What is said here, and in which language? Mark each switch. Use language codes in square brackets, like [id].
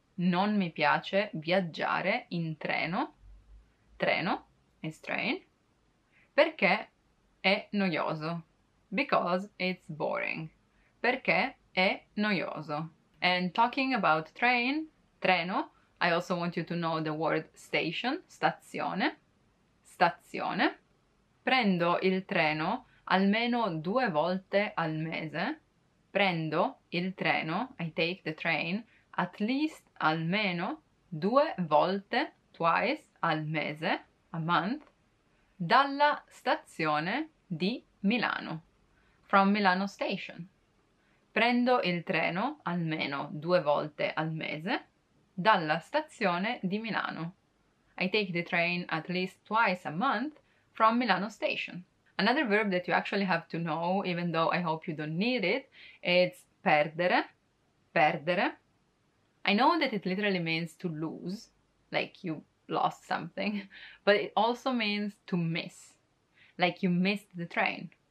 [it] Non mi piace viaggiare in treno. [en] Treno is train. [it] Perché è noioso. [en] Because it's boring. [it] Perché è noioso. [en] And talking about treno, I also want you to know the word station, stazione. [it] Stazione. Prendo il treno almeno due volte al mese. Prendo il treno, [en] I take the train, at least, [it] almeno, due volte, twice, al mese, [en] a month, [it] dalla stazione di Milano, [en] from Milano station. [it] Prendo il treno, almeno due volte al mese, dalla stazione di Milano. [en] I take the train at least twice a month from Milano station. Another verb that you actually have to know, even though I hope you don't need it, is perdere. I know that it literally means to lose, like you lost something, but it also means to miss, like you missed the train.